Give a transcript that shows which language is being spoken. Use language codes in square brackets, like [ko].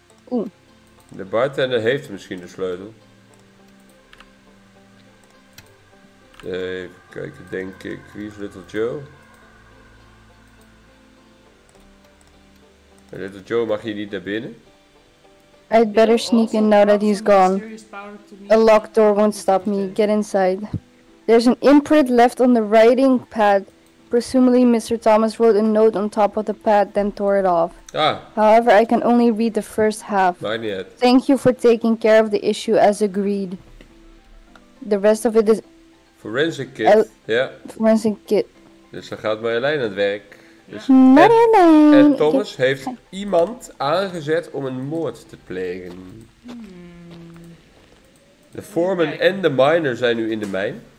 [nl] Oeh. De bartender heeft misschien de sleutel. Even kijken, denk ik. Wie is Little Joe? Little Joe mag hier niet naar binnen. [en] I'd better sneak in now that he's gone. A locked door won't stop me. Get inside. There's an imprint left on the writing pad. Presumably, Mr. Thomas wrote a note on top of the pad, then tore it off. Ah. However, I can only read the first half. Not yet. Thank you for taking care of the issue as agreed. The rest of it is... Forensic kit. Forensic kit. [nl] Dus dan gaat Marjolein aan het werk. Dus Marjolein! En Thomas heeft iemand aangezet om een moord te plegen. De foreman en de miner zijn nu in de mijn.